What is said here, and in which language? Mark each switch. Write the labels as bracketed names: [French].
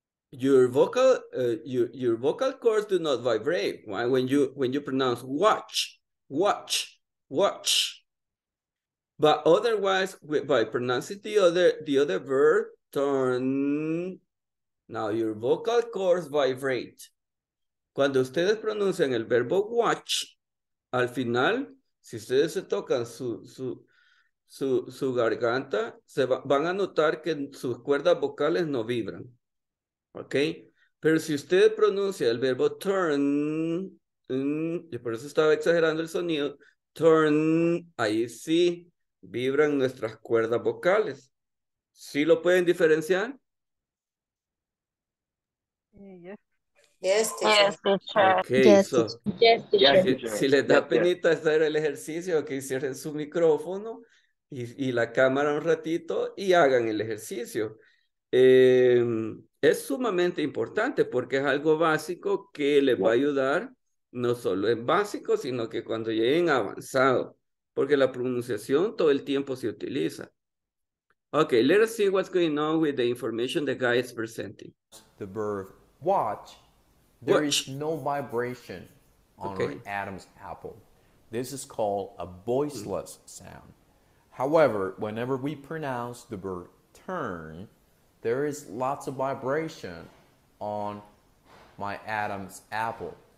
[English] Your vocal cords do not vibrate. Why? Right? When you pronounce watch, watch, watch. But otherwise, by pronouncing the other verb, turn. Now your vocal cords vibrate. [Spanish] Cuando ustedes pronuncian el verbo watch, al final, si ustedes se tocan su garganta, van a notar que sus cuerdas vocales no vibran, ¿ok? Pero si usted pronuncia el verbo turn, y por eso estaba exagerando el sonido, turn, ahí sí vibran nuestras cuerdas vocales. ¿Sí lo pueden diferenciar? [English] Yes, teacher. Okay, yes, teacher. [Spanish] Si les da penita hacer el ejercicio, que okay, cierren su micrófono, y la cámara un ratito y hagan el ejercicio. Es sumamente importante porque es algo básico que les va a ayudar, no solo en básico, sino que cuando lleguen avanzado, porque la pronunciación todo el tiempo se utiliza. [English] Okay, let us see what's going on with the information the guy is presenting. The verb watch, there watch. Is no vibration on okay. Adam's apple. This is called a voiceless sound. However, whenever we pronounce the verb turn, there is lots of vibration on my Adam's apple.